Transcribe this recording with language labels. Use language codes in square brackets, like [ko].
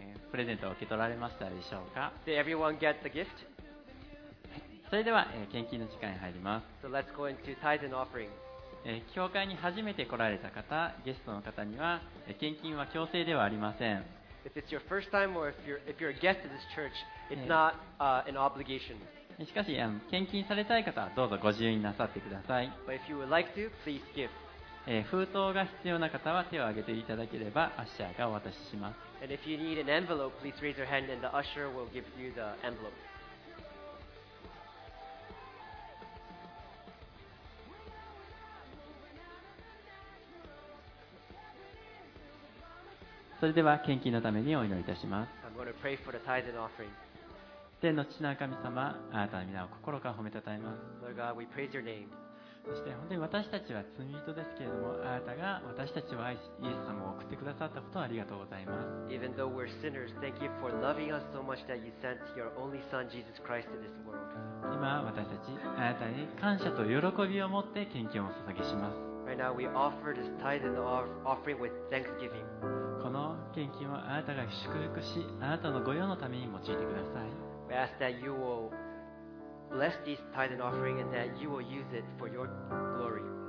[ja] プレゼントを受け取られましたでしょうか。 [en] Did everyone get the gift? [ja] それでは、献金の時間に入ります。 [en] So let's go into tithe and offering. [ja] 教会に初めて来られた方、ゲストの方には、献金は強制ではありません。 [en] If it's your first time or if you're a guest of this church, it's not, an obligation. [ja] しかし、献金されたい方はどうぞご自由になさってください。 [en] But if you would like to, please give. [ja] 封筒が必要な方は手を挙げていただければ、アッシャーがお渡しします。 [en] And if you need an envelope, please raise your hand and the usher will give you the envelope. [ja] それでは献金のためにお祈りいたします。 [en] I'm going to pray for the tithe and offering. [ja] 天の父なる神様、あなたの皆を心から褒めたたえます。 [en] Lord God, we praise your name. [ja] そして本当に私たちは罪人ですけれども、あなたが私たちを愛し、イエス様を送ってくださったことをありがとうございます。 [en] Even though we're sinners, thank you for loving us so much that you sent your only son Jesus Christ to this world. [ja] 今私たち、あなたに感謝と喜びを持って献金を捧げします。 [en] Right now we offer this tithe and offering with thanksgiving. [ja] この献金はあなたが祝福し、あなたの御用のために用いてください。 [en] We ask that you will bless this tithe and offering and that you will use it for your glory.